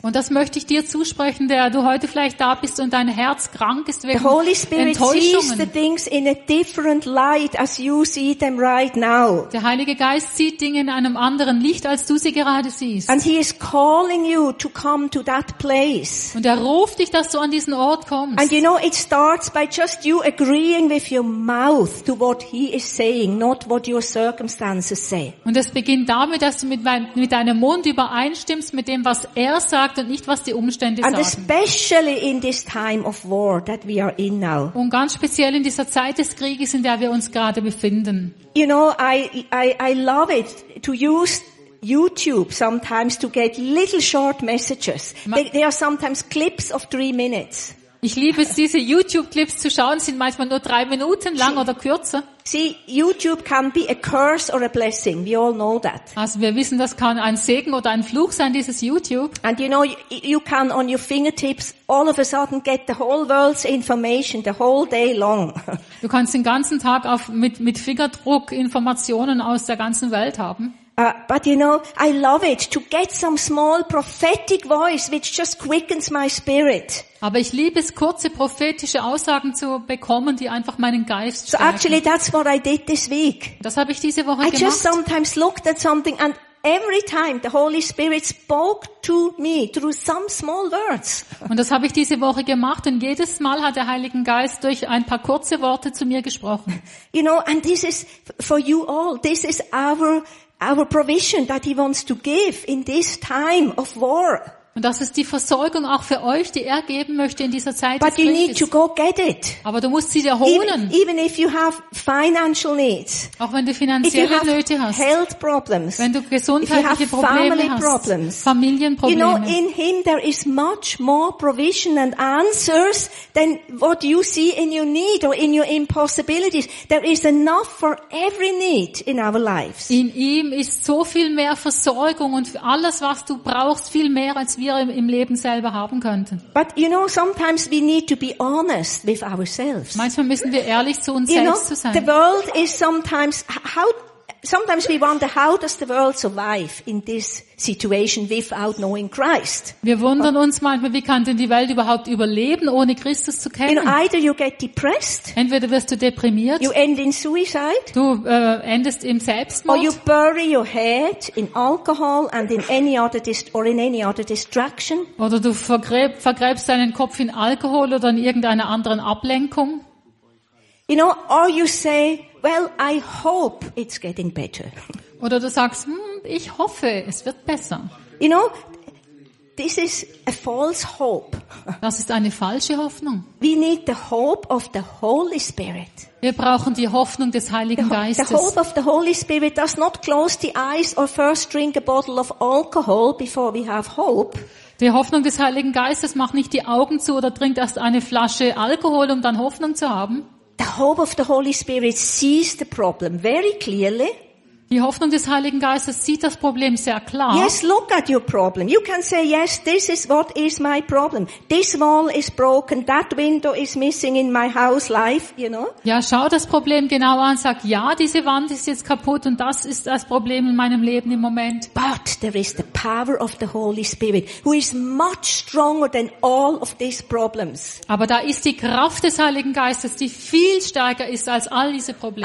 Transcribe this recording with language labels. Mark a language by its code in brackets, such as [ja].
[de] Und das möchte ich dir zusprechen, der du heute vielleicht da bist und dein Herz krank ist wegen Enttäuschungen. [en] The Holy Spirit sees the things in a different light as you see them right now. [de] Der Heilige Geist sieht Dinge in einem anderen Licht, als du sie gerade siehst. [en] And he is calling you to come to that place. [de] Und er ruft dich, dass du an diesen Ort kommst. [en] And you know, it starts by just you agreeing with your mouth to what he is saying, not what your circumstances say. [de] Und es beginnt damit, dass du mit deinem Mund übereinstimmst mit dem, was er sagt und nicht, was die Umstände [en] and [de] sagen. [en] Especially in this time of war that we are in now. [de] Und ganz speziell in dieser Zeit des Krieges, in der wir uns gerade befinden. [en] You know, I love it to use YouTube sometimes to get little short messages. They are sometimes clips of 3 minutes. [de] Ich liebe es, diese YouTube-Clips zu schauen. Sind manchmal nur 3 Minuten lang oder kürzer. [en] See, YouTube can be a curse or a blessing. We all know that. [de] Also wir wissen, das kann ein Segen oder ein Fluch sein, dieses YouTube. [en] And you know, you can on your fingertips all of a sudden get the whole world's information the whole day long. [de] Du kannst den ganzen Tag auf mit Fingerdruck Informationen aus der ganzen Welt haben. [en] But you know, I love it to get some small prophetic voice which just quickens my spirit. [de] Aber ich liebe es, kurze prophetische Aussagen zu bekommen, die einfach meinen Geist stärken. [en] So actually that's what I did this week. [de] Das habe ich diese Woche gemacht. [en] I just sometimes looked at something and every time the Holy Spirit spoke to me through some small words. [de] Und das habe ich diese Woche gemacht und jedes Mal hat der Heilige Geist durch ein paar kurze Worte zu mir gesprochen. [en] You know, and this is for you all. This is our provision that he wants to give in this time of war. [de] Und das ist die Versorgung auch für euch, die er geben möchte in dieser Zeit. [en] But you need to go get it. [de] Aber du musst sie dir holen. [en] Even if you have financial needs. [de] Auch wenn du finanzielle Nöte hast. [en] Health problems. [de] Wenn du gesundheitliche Probleme hast. [en] Problems. [de] Familienprobleme. [en] You know, in him there is much more provision and answers than what you see in your need or in your impossibilities. There is enough for every need in our lives. [de] In ihm ist so viel mehr Versorgung und alles, was du brauchst, viel mehr als wir im Leben selber haben könnten. [en] But you know, sometimes we need to be honest with ourselves. [de] Manchmal müssen wir ehrlich zu uns selbst sein. [en] The world is sometimes sometimes we wonder how does the world survive in this situation without knowing Christ. [de] Wir wundern uns manchmal, wie kann denn die Welt überhaupt überleben, ohne Christus zu kennen? [en] You know, either you get depressed. [de] Entweder wirst du deprimiert. [en] You end in suicide. [de] Du endest im Selbstmord. [en] Or you bury your head in alcohol and in any other distraction. [de] Oder du vergräbst deinen Kopf in Alkohol oder in irgendeiner anderen Ablenkung. [en] You know, or you say, well, I hope it's getting better. [de] Oder du sagst, ich hoffe, es wird besser. [en] You know, this is a false hope. [de] Das ist eine falsche Hoffnung. [en] We need the hope of the Holy Spirit. [de] Wir brauchen die Hoffnung des Heiligen Geistes. [en] The hope of the Holy Spirit does not close the eyes or first drink a bottle of alcohol before we have hope. [de] Die Hoffnung des Heiligen Geistes macht nicht die Augen zu oder trinkt erst eine Flasche Alkohol, um dann Hoffnung zu haben. [en] The hope of the Holy Spirit sees the problem very clearly. [de] Die Hoffnung des Heiligen Geistes sieht das Problem sehr klar. [en] Yes, look at your problem. You can say, yes, this is what is my problem. This wall is broken. That window is missing in my house life, you know. [de] Ja, schau das Problem genau an. Sag, ja, diese Wand ist jetzt kaputt und das ist das Problem in meinem Leben im Moment. [en] But there is the power of the Holy Spirit, who is much stronger than all of these problems. [de] Aber da ist die Kraft des Heiligen Geistes, die viel stärker ist als all diese Probleme.